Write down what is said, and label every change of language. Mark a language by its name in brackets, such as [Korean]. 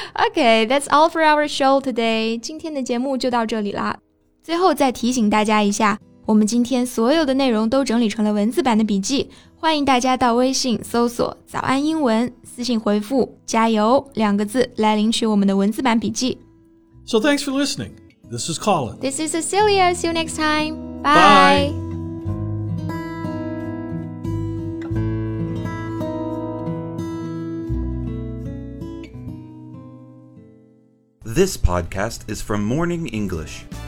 [English] Okay, that's all for our show today. [Chinese] 今天的节目就到这里了。最后再提醒大家一下，我们今天所有的内容都整理成了文字版的笔记，欢迎大家到微信搜索早安英文，私信回复加油两个字来领取我们的文字版笔记。 [English] So thanks for listening. This is Colin. This is Cecilia. See you next time. Bye. Bye. This podcast is from Morning English.